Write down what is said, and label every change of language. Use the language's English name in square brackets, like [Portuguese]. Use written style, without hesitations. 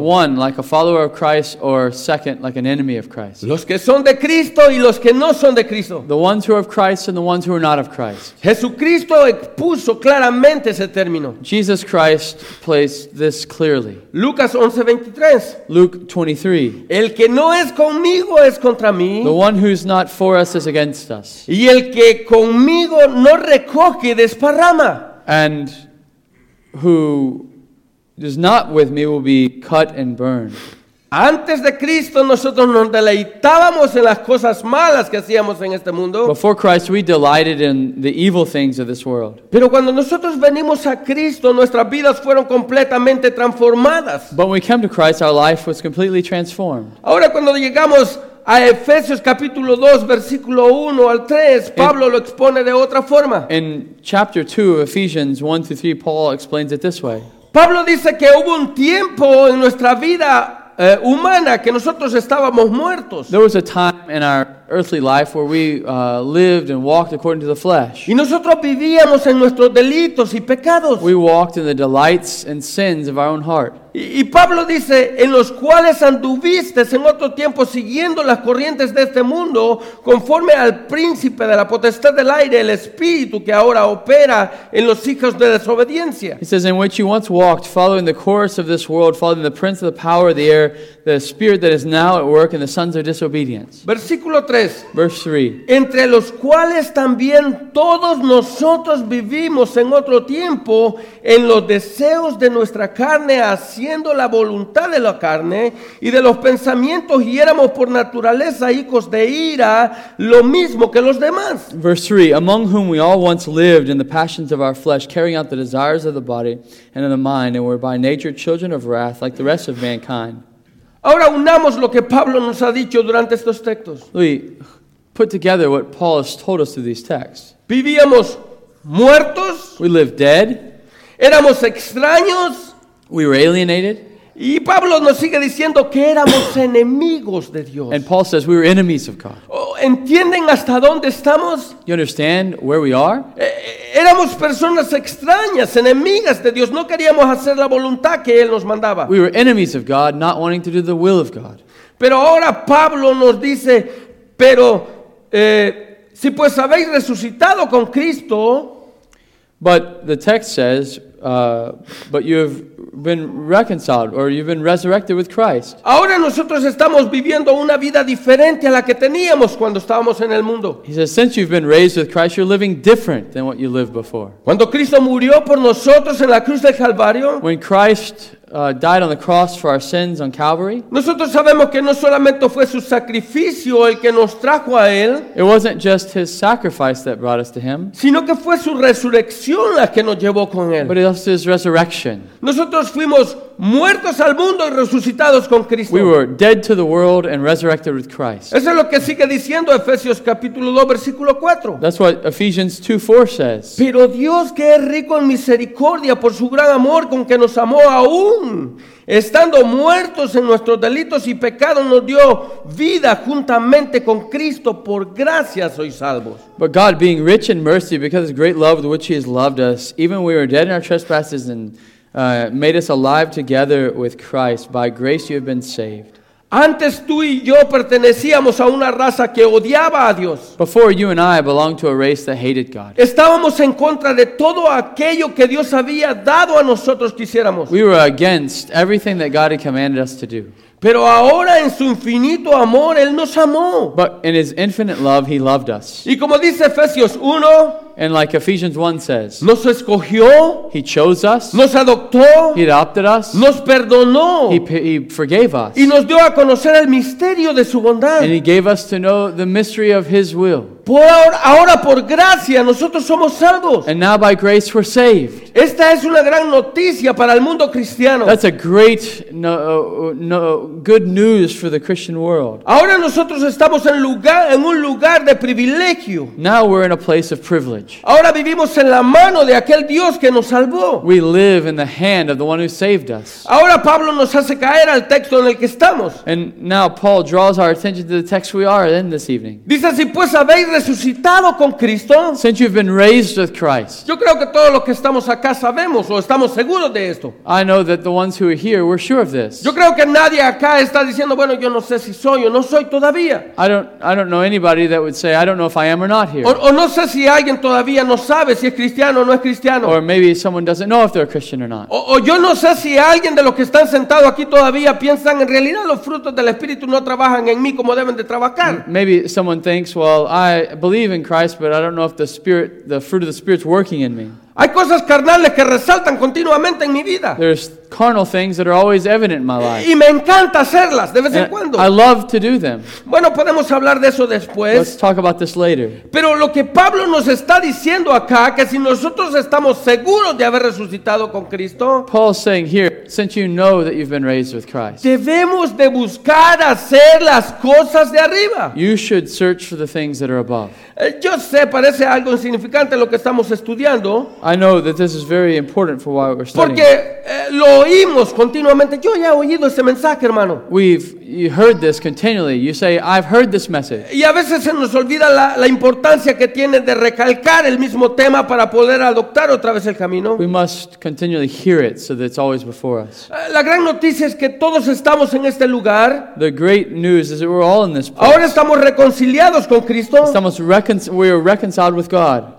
[English] One, like a follower of Christ, or second, like an enemy of Christ. [Spanish] Los que son de Cristo y los que no son de Cristo. [English] The ones who are of Christ and the ones who are not of Christ. [Spanish] Jesucristo expuso claramente ese término. [English] Jesus Christ placed this clearly. [Spanish] Lucas 11:23. [English] Luke 23. [Spanish] El que no es conmigo es contra mí. [English] The one who's not for us is against us. [Spanish] Y el que conmigo no recoge desparrama. [English] And who is not with me will be cut and burned. [Spanish] Antes de Cristo, nosotros nos deleitábamos en las cosas malas que hacíamos en este mundo. [English] Before Christ, we delighted in the evil things of this world. [Spanish] Pero cuando nosotros venimos a Cristo, nuestras vidas fueron completamente transformadas. [English] But when we came to Christ, our life was completely transformed. [Spanish] Ahora cuando llegamos a Efesios capítulo 2, versículo 1 al 3, Pablo lo expone de otra forma. [English] In chapter 2 of Ephesians 1 to 3, Paul explains it this way. [Spanish] Pablo dice que hubo un tiempo en nuestra vida humana que nosotros estábamos muertos. [English] There was a time in our earthly life where we lived and walked according to the flesh. [Spanish] Y nosotros vivíamos en nuestros delitos y pecados. [English] We walked in the delights and sins of our own heart. [Spanish] Y Pablo dice, en los cuales anduviste en otro tiempo siguiendo las corrientes de este mundo, conforme al príncipe de la potestad del aire, el espíritu que ahora opera en los hijos de desobediencia. [English] He says, in which you once walked, following the course of this world, following the prince of the power of the air, the spirit that is now at work in the sons of disobedience. [Spanish] Versículo 3. [English] Verse 3. [Spanish] Entre los cuales también todos nosotros vivimos en otro tiempo, en los deseos de nuestra carne, así haciendo la voluntad de la carne y de los pensamientos, y éramos por naturaleza hijos de ira, lo mismo que los demás. [English] Verse 3, among whom we all once lived in the passions of our flesh, carrying out the desires of the body and of the mind, and were by nature children of wrath like the rest of mankind. [Spanish] Ahora unamos lo que Pablo nos ha dicho durante estos textos. [English] We put together what Paul has told us through these texts. [Spanish] Vivíamos muertos. [English] We lived dead. [Spanish] Éramos extraños. [English] We were alienated. [Spanish] Y Pablo nos sigue diciendo que éramos enemigos de Dios. [English] And Paul says we were enemies of God. [Spanish] ¿Entienden hasta dónde estamos? [English] You understand where we are? [Spanish] Éramos personas extrañas, enemigas de Dios. No queríamos hacer la voluntad que Él nos mandaba. [English] We were enemies of God, not wanting to do the will of God. [Spanish] Pero ahora Pablo nos dice, pero si pues habéis resucitado con Cristo. [English] But the text says, but you have been reconciled, or you've been resurrected with Christ. [Spanish] Ahora nosotros estamos viviendo una vida diferente a la que teníamos cuando estábamos en el mundo. [English] He says, since you've been raised with Christ, you're living different than what you lived before. [Spanish] Cuando Cristo murió por nosotros en la cruz del Calvario. [English] When Christ died on the cross for our sins on Calvary. [Spanish] Nosotros sabemos que no solamente fue su sacrificio el que nos trajo a él. [English] It wasn't just his sacrifice that brought us to him. [Spanish] Sino que fue su resurrección la que nos llevó con él. [English] But it was his resurrection. [Spanish] Nosotros fuimos muertos al mundo y resucitados con Cristo. [English] We were dead to the world and resurrected with Christ. [Spanish] Eso es lo que sigue diciendo Efesios capítulo 2 versículo 4. [English] That's what Ephesians 2:4 says. [Spanish] Pero Dios, que es rico en misericordia por su gran amor con que nos amó, aún estando muertos en nuestros delitos y pecados, nos dio vida juntamente con Cristo. Por gracia sois salvos. [English] But God, being rich in mercy because of his great love with which he has loved us, even we were dead in our trespasses and made us alive together with Christ. By grace you have been saved. [Spanish] Antes tú y yo pertenecíamos a una raza que odiaba a Dios. [English] Before, you and I belonged to a race that hated God. [Spanish] Estábamos en contra de todo aquello que Dios había dado a nosotros que hiciéramos. [English] We were against everything that God had commanded us to do. [Spanish] Pero ahora en su infinito amor, Él nos amó. [English] But in his infinite love, he loved us. [Spanish] Y como dice Efesios 1, [English] and like Ephesians 1 says, [Spanish] nos escogió, [English] he chose us, [Spanish] nos adoptó, [English] he adopted us, [Spanish] nos perdonó, [English] he forgave us, [Spanish] y nos dio a conocer el misterio de su bondad. [English] And he gave us to know the mystery of his will. [Spanish] Ahora por gracia nosotros somos salvos. [English] And now by grace we're saved. [Spanish] Esta es una gran noticia para el mundo cristiano. [English] That's a great good news for the Christian world. [Spanish] Ahora nosotros estamos en un lugar de privilegio. [English] Now we're in a place of privilege. [Spanish] Ahora vivimos en la mano de aquel Dios que nos salvó. [English] We live in the hand of the one who saved us. [Spanish] Ahora Pablo nos hace caer al texto en el que estamos. [English] And now Paul draws our attention to the text we are in this evening. [Spanish] Dice, si pues habéis resucitado con Cristo. [English] Since you've been raised with Christ. [Spanish] Yo creo que todos los que estamos acá acá sabemos o estamos seguros de esto. [English] I know that the ones who are here, we're sure of this. [Spanish] Yo creo que nadie acá está diciendo, bueno, yo no sé si soy o no soy todavía. [English] I don't know anybody that would say, I don't know if I am or not here. [Spanish] O no sé si alguien todavía no sabe si es cristiano o no es cristiano. [English] Or maybe someone doesn't know if they're a Christian or not. [Spanish] O yo no sé si alguien de los que están sentados aquí todavía piensan en realidad los frutos del Espíritu no trabajan en mí como deben de trabajar. [English] Maybe someone thinks, well, I believe in Christ, but I don't know if the fruit of the Spirit's working in me. [Spanish] Hay cosas carnales que resaltan continuamente en mi vida. [English] There's carnal things that are always evident in my life. [Spanish] Y me encanta hacerlas de vez en cuando. [English] I love to do them. [Spanish] Bueno, podemos hablar de eso después. [English] Let's talk about this later. [Spanish] Pero lo que Pablo nos está diciendo acá, que si nosotros estamos seguros de haber resucitado con Cristo, [English] Paul's saying here, since you know that you've been raised with Christ, [Spanish] debemos de buscar hacer las cosas de arriba. [English] You should search for the things that are above. [Spanish] Yo sé, parece algo insignificante lo que estamos estudiando. [English] I know that this is very important for why we're studying. [Spanish] Porque lo oímos continuamente. Yo ya he oído ese mensaje, hermano. [English] You heard this continually. You say, I've heard this message. [Spanish] Y a veces se nos olvida la importancia que tiene de recalcar el mismo tema para poder adoptar otra vez el camino. [English] We must continually hear it so that it's always before us. [Spanish] La gran noticia es que todos estamos en este lugar. [English] The great news is that we're all in this place. [Spanish] Ahora estamos reconciliados con Cristo. [English] We are reconciled with God.